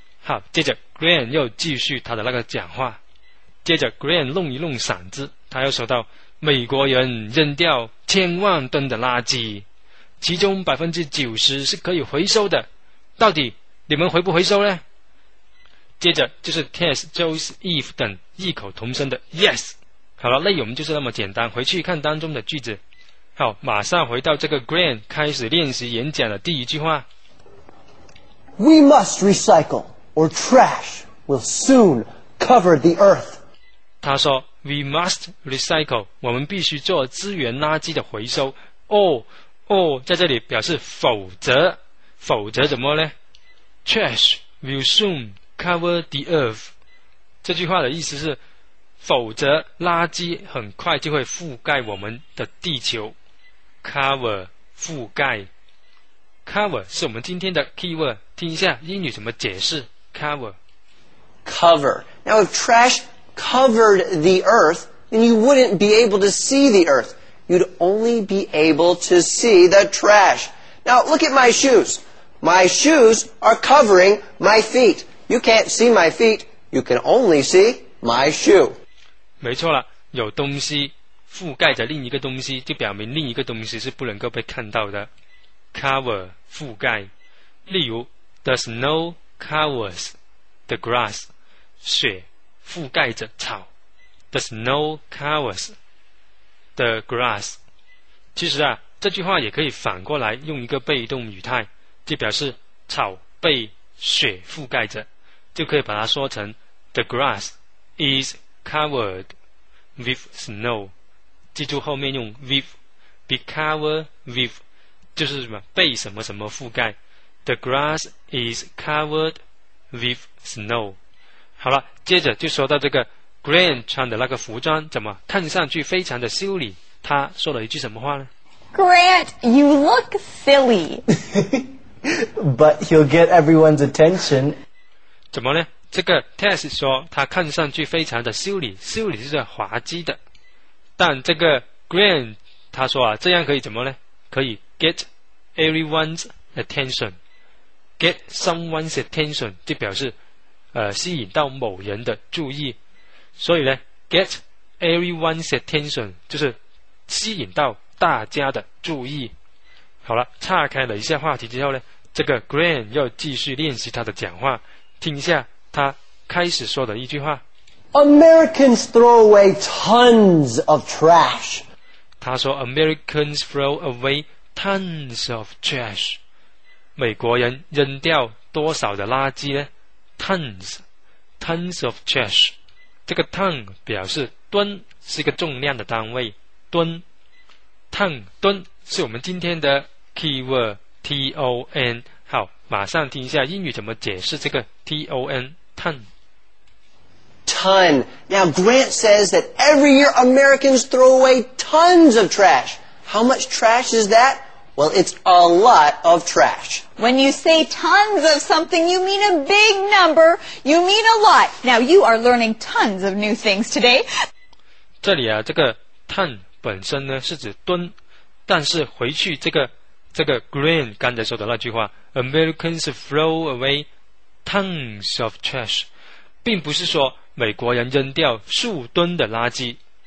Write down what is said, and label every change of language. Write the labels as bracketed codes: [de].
[zh] 好，接着 Green 又继续他的那个讲话。接着 Green 弄一弄嗓子，他又说到，美国人扔掉千万吨的垃圾，其中 90% 是可以回收的，到底你们回不回收呢？接着就是 Tess, Joyce, Eve 等异口同声的 Yes。好了，内容就是那么简单，回去看当中的句子。好，马上回到这个 Grant 开始练习演讲的第一句话。 [en] We must recycle, or trash will soon cover the earth. [zh] 他说 , [en] We must recycle, [zh] 我们必须做资源垃圾的回收。 Or 在这里表示否则。否则怎么呢？ [en] Trash will soon cover the earth. [zh] 这句话的意思是否则垃圾很快就会覆盖我们的地球。 Cover, 覆盖。Cover 是我们今天的 keyword, 听一下英语怎么解释 cover。 [en] Cover. Now if trash covered the earth, then you wouldn't be able to see the earth. You'd only be able to see the trash. Now look at my shoes. My shoes are covering my feet. You can't see my feet. You can only see my shoe. [zh] 没错了，有东西覆盖着另一个东西，就表明另一个东西是不能够被看到的。 Cover, 覆盖。例如 , [en] the snow covers the grass, [zh] 雪覆盖着草。 [en] The snow covers the grass. [zh] 其实啊，这句话也可以反过来用一个被动语态，就表示草被雪覆盖着，就可以把它说成 , [en] the grass is covered with snow. [zh] 记住后面用 with, [en] be covered with, [zh] 就是什么被什么什么覆盖。 [en] The grass is covered with snow. [zh] 好了，接着就说到这个 Grant 穿的那个服装怎么看上去非常的修理，他说了一句什么话呢？ [en] Grant, you look silly. But he'll get everyone's attention. [zh] 怎么呢？这个 Tess 说他看上去非常的修理，修理是滑稽的。但这个 Grant 他说啊，这样可以怎么呢？可以 [en] Get everyone's attention. Get someone's attention [zh] 就表示吸引到某人的注意。所以呢 , [en] get everyone's attention [zh] 就是吸引到大家的注意。好了，岔开了一下话题之后呢，这个 Grant 又继续练习他的讲话，听一下他开始说的一句话。 [en] Americans throw away tons of trash. [zh] 他说 [en] Americans throw awaytons of trash. [zh] 美国人扔掉多少的垃圾呢？ [en] tons of trash. [zh] 这个 ton 表示吨，是一个重量的单位，吨 ton 吨是我们今天的 keyword ton. 好，马上听一下英语怎么解释这个 ton. [en] ton ton. Now Grant says that every year Americans throw away tons of trash. How much trash is thatWell, it's a lot of trash. When you say tons of something, you mean a big number. You mean a lot. Now, you are learning tons of new things today. [zh] 这里啊，这个 ton 本身呢是指吨，但是回去这个 Grain 刚才说的那句话 , [en] Americans throw away tons of trash, [zh] 并不是说美国人扔掉数吨的垃圾。